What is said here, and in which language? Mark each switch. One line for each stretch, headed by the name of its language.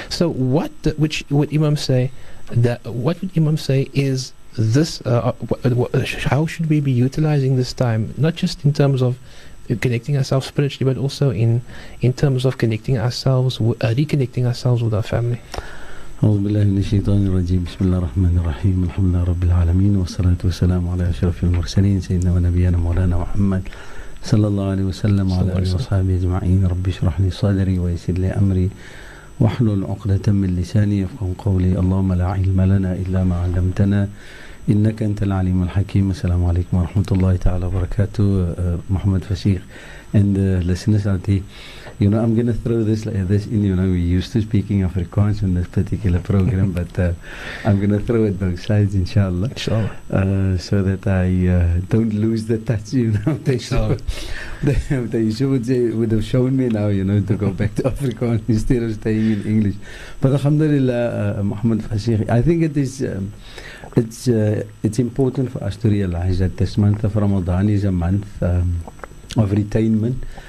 English: So what would Imam say? That what would Imam say is this, how should we be utilizing this time, not just in terms of connecting ourselves spiritually, but also in terms of connecting ourselves, reconnecting ourselves with our family?
Arabic: أعوذ بالله من الشيطان الرجيم بسم الله الرحمن الرحيم الحمد لله رب العالمين والصلاة والسلام على أشرف المرسلين سيدنا ونبينا مولانا محمد صلى الله عليه وسلم وعلى آله وصحبه أجمعين ربي اشرح لي صدري ويسر لي أمري واحلل عقدة من لساني يفقهوا قولي اللهم لا علم لنا إلا ما علمتنا إنك أنت العليم الحكيم السلام عليكم ورحمة الله تعالى وبركاته
English: محمد فسيخ and listeners out there, you know, I'm gonna throw this in, you know, we're used to speaking Afrikaans in this particular program but I'm gonna throw it both sides inshallah. So that I don't lose the touch, you know, they would have shown me now, you know, to go back to Afrikaans instead of staying in English. But alhamdulillah, Muhammad Fasih, I think it is it's important for us to realize that this month of Ramadan is a month of retainment.